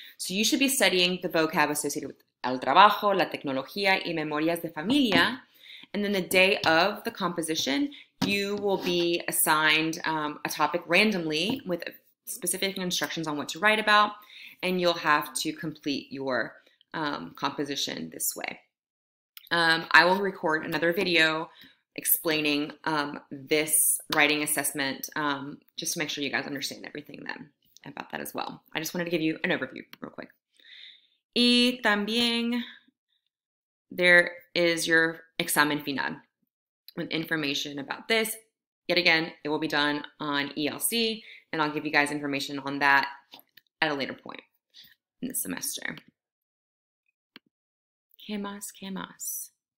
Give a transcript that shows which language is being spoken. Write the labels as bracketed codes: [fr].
[en] So you should be studying the vocab associated with [es] el trabajo, la tecnología, y memorias de familia, [en] and then the day of the composition, you will be assigned a topic randomly with specific instructions on what to write about, and you'll have to complete your composition this way. I will record another video explaining this writing assessment just to make sure you guys understand everything then about that as well. I just wanted to give you an overview real quick. [es] Y también [en] there is your [es] examen final. [en] With information about this. Yet again, it will be done on ELC, and I'll give you guys information on that at a later point in the semester. [es] ¿Qué más? ¿Qué más?